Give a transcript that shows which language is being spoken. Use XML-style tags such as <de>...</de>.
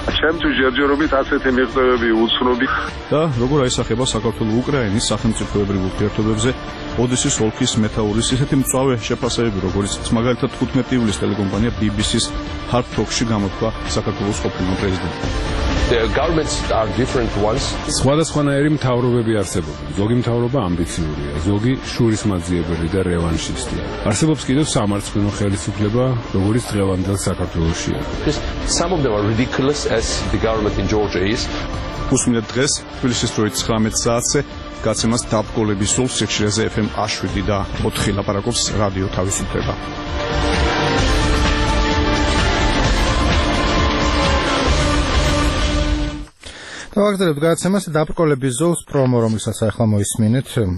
<ka>ჩემთვის ჯერჯერობით ასეთი მიღწევები უცნობი და როგორ აისახება საქართველო-უკრაინის სახელმწიფოებრივ ურთიერთობებზე ოდესის ოლქის მეთაურის ისეთი მწვავე შეფასებები, როგორც მაგალითად 15 ივლისს ტელეკომპანია BBC-ს Hard Talk-ში გამოთქვა საქართველოს ყოფილმა პრეზიდენტმა.</ka> <en>The governments are different ones.</en> <ka>სხვადასხვანაირი მთავრობები არსებობენ. ზოგი მთავრობა ამბიციურია, ზოგი შურისმაძიებელი და რევანშისტია. არსებობს კიდევ სამართლმადიდებლო ხელისუფლება, როგორიც დღევანდელ საქართველოსია.</ka> <en>Some of them are ridiculous as the government in Georgia is.</en> <ka>უსმინეთ დღეს, თბილისის დროით 19 საათზე, გაცემას დაბკოლების სულ სიხშირეზე FM 7 და 4 ლაპარაკობს რადიო თავისუფლება. დავაგრძელებ გადაცემას დაბრკოლების ზოლს, პრომო, რომელსაც ახლა მოისმინეთ.</ka>